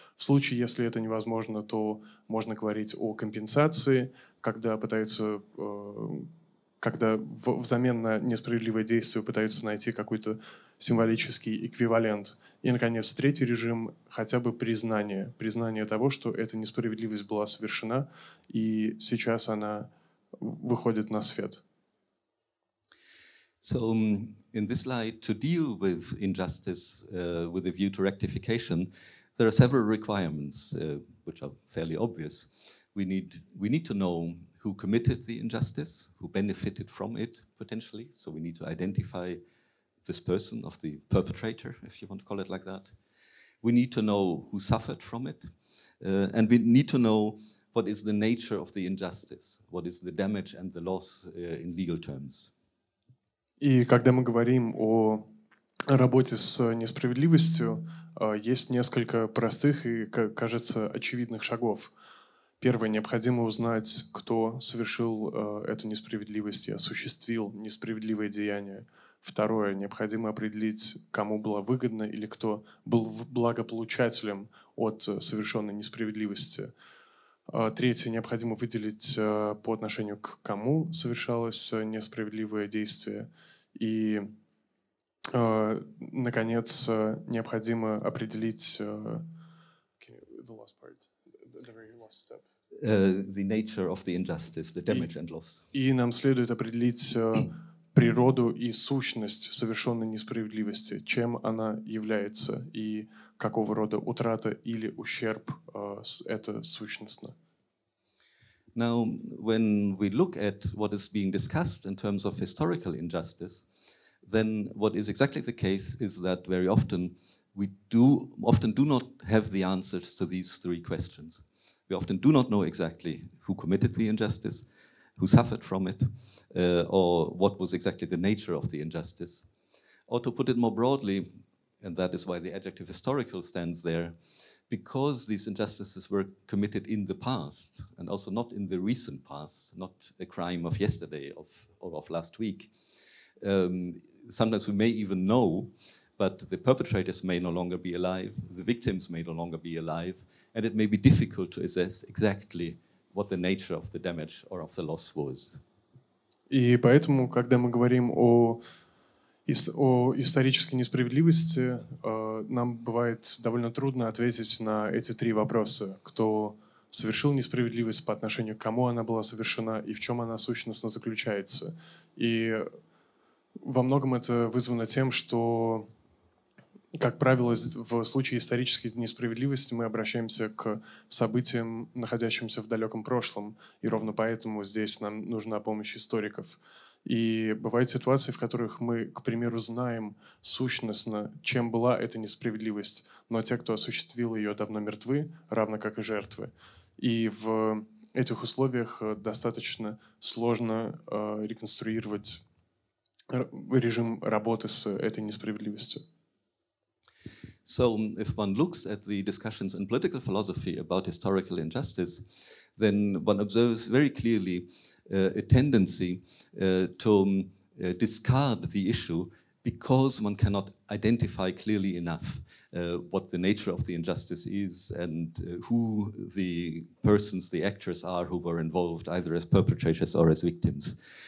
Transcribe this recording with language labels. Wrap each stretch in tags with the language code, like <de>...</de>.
<ru>В случае, если это невозможно, то можно говорить о компенсации, когда взамен на несправедливое действие пытаются найти какой-то символический эквивалент. И, наконец, третий режим — хотя бы признание. Признание того, что эта несправедливость была совершена, и сейчас она выходит на свет.</ru> <en>So, in this light, to deal with injustice with a view to rectification, there are several requirements, which are fairly obvious. We need to know who committed the injustice, who benefited from it, potentially. So we need to identify this person of the perpetrator, if you want to call it like that. We need to know who suffered from it. And we need to know what is the nature of the injustice, what is the damage and the loss in legal terms.</en> <ru>И когда мы говорим о работе с несправедливостью, есть несколько простых и, кажется, очевидных шагов. Первое, необходимо узнать, кто совершил эту несправедливость и осуществил несправедливое деяние. Второе, необходимо определить, кому было выгодно или кто был благополучателем от совершенной несправедливости. Третье, необходимо выделить по отношению к кому совершалось несправедливое действие. И, наконец, необходимо определить...</ru> <en>The last part, the very last step. The nature of the injustice, the damage and loss.</en> <ru>И нам следует определить природу и сущность совершенной несправедливости, чем она является и какого рода утрата или ущерб это сущностно.</ru> <en>Now, when we look at what is being discussed in terms of historical injustice, then what is exactly the case is that very often we do not have the answers to these three questions. We often do not know exactly who committed the injustice, who suffered from it, or what was exactly the nature of the injustice. Or to put it more broadly, and that is why the adjective historical stands there, because these injustices were committed in the past, and also not in the recent past, not a crime of yesterday or of last week, sometimes we may even know, but the perpetrators may no longer be alive, the victims may no longer be alive, and it may be difficult to assess exactly what the nature of the damage or of the loss was.</en> <ru>И поэтому, когда мы говорим о исторической несправедливости, нам бывает довольно трудно ответить на эти три вопроса. Кто совершил несправедливость, по отношению к кому она была совершена и в чем она сущностно заключается. И во многом это вызвано тем, что, как правило, в случае исторической несправедливости мы обращаемся к событиям, находящимся в далеком прошлом. И ровно поэтому здесь нам нужна помощь историков. И бывают ситуации, в которых мы, к примеру, знаем сущностно, чем была эта несправедливость, но те, кто осуществил ее, давно мертвы, равно как и жертвы. И в этих условиях достаточно сложно реконструировать режим работы с этой несправедливостью.</ru> <en>So, if one looks at the discussions in political philosophy about historical injustice, then one observes very clearly a tendency to discard the issue because one cannot identify clearly enough what the nature of the injustice is and who the persons, the actors are who were involved either as perpetrators or as victims.</en>